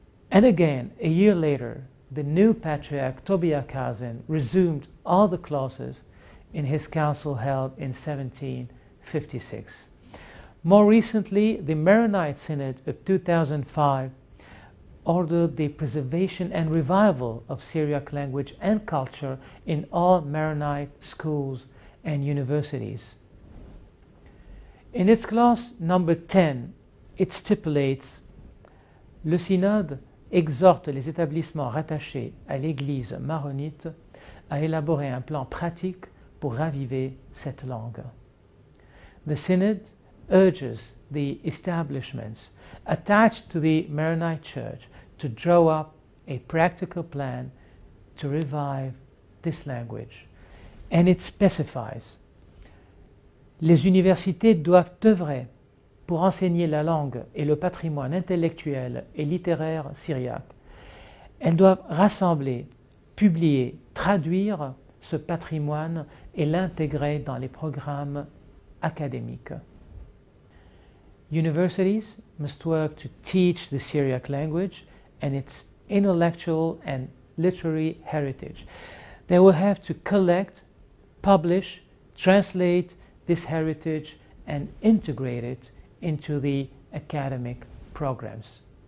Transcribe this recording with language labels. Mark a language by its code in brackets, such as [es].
[en] And again, a year later, the new Patriarch Tobia Kazin resumed all the clauses in his council held in 1756. More recently, the Maronite Synod of 2005 ordered the preservation and revival of Syriac language and culture in all Maronite schools and universities. In its clause number 10, it stipulates, [fr] "Le synode exhorte les établissements rattachés à l'Église maronite à élaborer un plan pratique pour raviver cette langue." [en] The synod urges the establishments attached to the Maronite Church to draw up a practical plan to revive this language. And it specifies, [fr] les universités doivent œuvrer pour enseigner la langue et le patrimoine intellectuel et littéraire syriac. Elles doivent rassembler, publier, traduire ce patrimoine et l'intégrer dans les programmes académiques. [en] Universities must work to teach the Syriac language and its intellectual and literary heritage. They will have to collect, publish, translate this heritage and integrate it into the academic programs.